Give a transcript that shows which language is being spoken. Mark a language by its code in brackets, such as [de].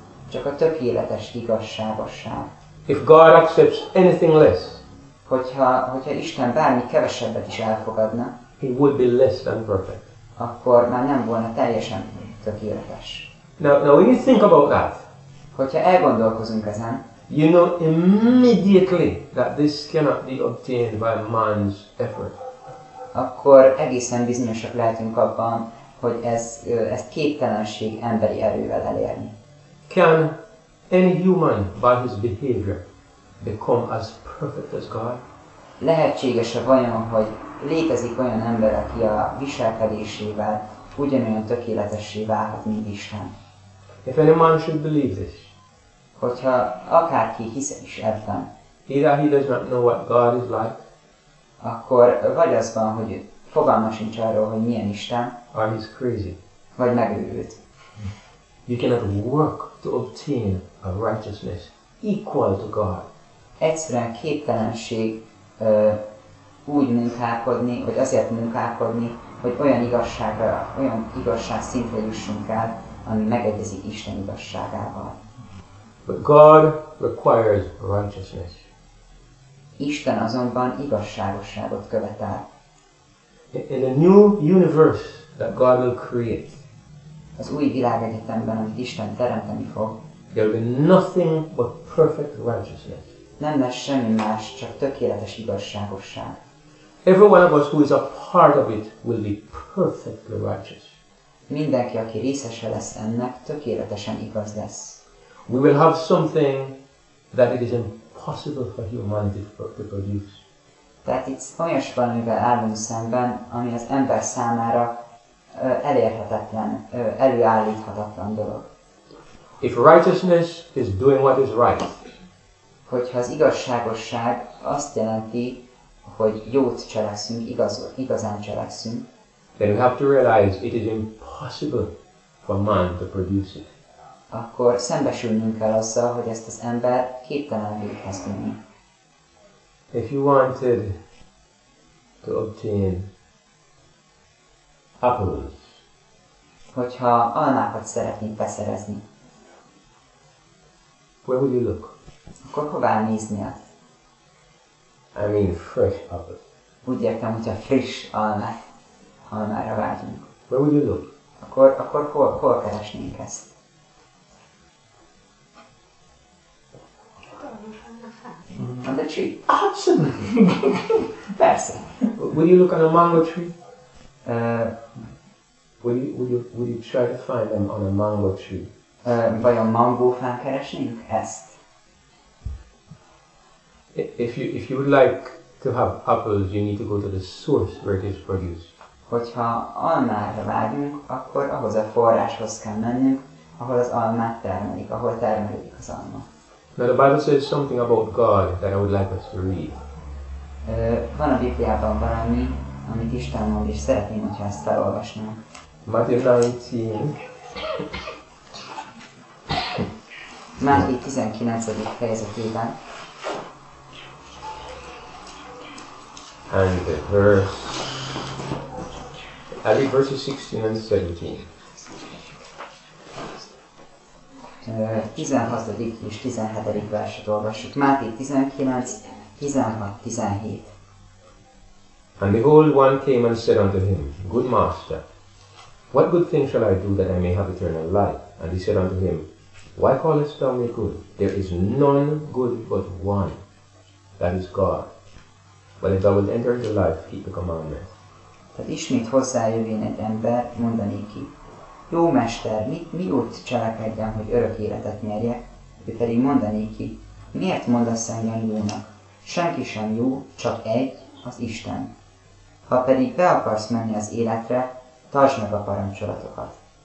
[hu] Csak a tökéletes igazságosság. [en] If God accepts anything less, [hu] hogyha Isten bármi kevesebbet is elfogadna, [en] he would be less than perfect. [hu] Akkor már nem volna teljesen tökéletes. [en] Now when you think about that, [hu] hogyha elgondolkozunk ezen, [en] you know immediately that this cannot be obtained by man's effort. [hu] Akkor egészen bizonyosak lehetünk abban, hogy ez képtelenség emberi erővel elérni. [en] Can any human by his behavior become as perfect as God? [hu] Lehetséges-e vajon, hogy létezik olyan ember, aki a viselkedésével ugyanolyan tökéletessé válhat, mint Isten? [en] If any man should believe this, [hu] hogyha akárki hisz is ebben, [en] either he does not know what God is like, [hu] akkor vagy az van, hogy fogalma sincs arról, hogy milyen Isten, [en] or he's crazy, [hu] vagy megőrült. [en] You cannot work to obtain a righteousness equal to God. [hu] Egyszerűen képtelenség úgy munkálkodni, vagy azért munkálkodni, hogy olyan igazságra, olyan igazság szintre jussunk el, ami megegyezik Isten igazságával. [en] But God requires righteousness. [hu] Isten azonban igazságosságot követel. [en] In a new universe that God will create, [hu] az új világegyetemben, amit Isten teremteni fog, [en] there will be nothing but perfect righteousness. [hu] Nem lesz semmi más, csak tökéletes igazságosság. [en] Every one of us who is a part of it will be perfectly righteous. [hu] Mindenki, aki részese lesz ennek, tökéletesen igaz lesz. [en] We will have something that it is impossible for humanity to produce. [hu] Tehát itt olyas valamivel állunk szemben, ami az ember számára elérhetetlen, előállíthatatlan dolog. [en] If righteousness is doing what is right, [hu] hogyha az igazságosság azt jelenti, hogy jót cselekszünk, igazán cselekszünk, [en] then you have to realize it is impossible for man to produce it. [hu] Akkor szembesülnünk kell azzal, hogy ezt az ember képtelen véghez vinni. [en] If you wanted to obtain apples, [hu] hogyha almákat szeretnénk beszerezni, [en] where would you look? [hu] Akkor hová néznél? [en] I mean fresh apples. [hu] Úgy értem, hogy a friss almára vágyunk. [en] Where would you look? [hu] Akkor hol keresnénk ezt? [en] On the tree. Absolutely. [hu] Persze. [en] Would you look on a mango tree? Would you try to find them on a mango tree? [hu] Vajon mangófán keresnénk ezt? [en] If you would like to have apples, you need to go to the source where it is produced. [hu] Hogyha almára vágyunk, akkor ahhoz a forráshoz kell mennünk, ahol az almát termelik, ahol termelődik az alma. [en] Now the Bible says something about God that I would like us to read. [hu] Van a Bibliában valami, amit Isten mond, és szeretném, hogyha ezt felolvasnám. [en] Matthew 19. [hu] Máté 19. fejezetében. [en] And verses 16 and 17. [hu] 16. és 17. verset olvassuk. Máté 19, 16-17. [en] And behold, one came and said unto him, Good Master, what good thing shall I do that I may have eternal life? And he said unto him, Why callest thou me good? There is none good but one, that is God. But if thou wilt enter into life, keep the commandments. [hu] Tehát ismét hozzájövén egy ember, mondani ki, Jó Mester, mi út cselekedjem, hogy örök életet nyerjek? Ő pedig mondani ki, miért mondasz engem jónak? Senki sem jó, csak egy, az Isten. Ha pedig be akarsz menni az életre, tartsd meg a parancsolatokat.